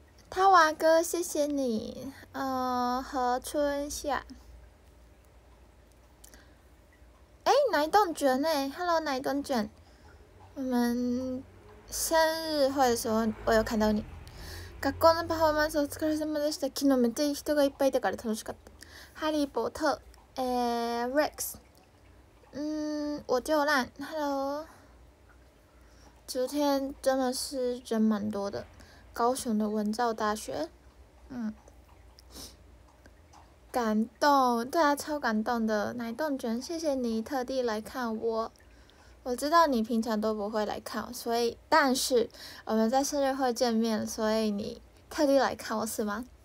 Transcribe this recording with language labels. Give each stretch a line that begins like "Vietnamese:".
Chinese: 他娃哥，谢谢你。何春夏，哎，奶冻卷哎 ，Hello 奶冻卷。我们生日会的时候，我有看到你。学校的
Japanese: performance， お疲れ様でした。昨日めっちゃ人がいっぱいいたから楽しかった。
Chinese: 哈利波特。 Rex， 我就烂 ，Hello， 昨天真的是人蛮多的，高雄的文藻大学，感动，对啊，超感动的，奶冻卷，谢谢你特地来看我，我知道你平常都不会来看，所以但是我们在生日会见面，所以你特地来看我是吗？